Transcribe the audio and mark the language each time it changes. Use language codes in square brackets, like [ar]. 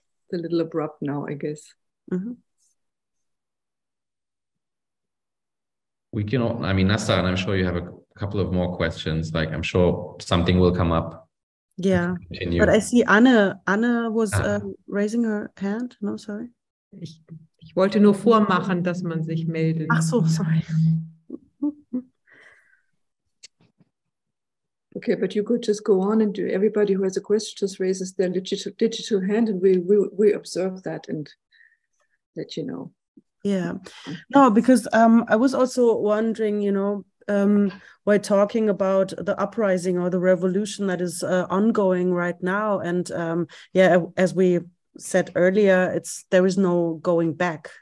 [en] It's a little abrupt now, I guess. Mm-hmm. We can all, I mean, Nasa, and I'm sure you have a couple of more questions. Like, I'm sure something will come up. Yeah, but I see Anne was raising her hand. No, sorry. [de] Ich wollte nur vormachen, dass man sich meldet. Ach so, sorry. [en] Okay, but you could just go on and do. Everybody who has a question just raises their digital hand, and we observe that and let you know. Yeah, no, because I was also wondering, you know, we're talking about the uprising or the revolution that is ongoing right now, and as we said earlier, there is no going back.